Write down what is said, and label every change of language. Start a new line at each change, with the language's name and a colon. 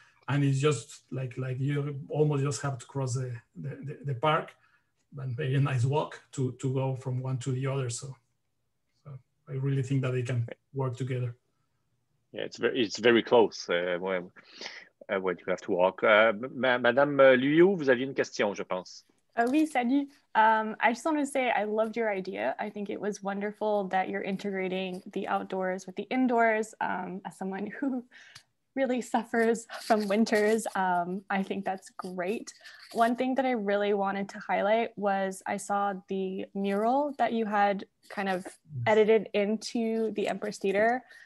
English: And it's just like you almost just have to cross the park, and very nice walk to go from one to the other. So I really think that they can work together. Yeah, it's very close when you have to walk.
French: Madame Liu, vous aviez une question, je pense. Oui, salut.
English: I just want to say I loved your idea. I think it was wonderful that you're integrating the outdoors with the indoors. As someone who really suffers from winters, I think that's great. One thing that I really wanted to highlight was I saw the mural that you had kind of edited into the Empress Theater.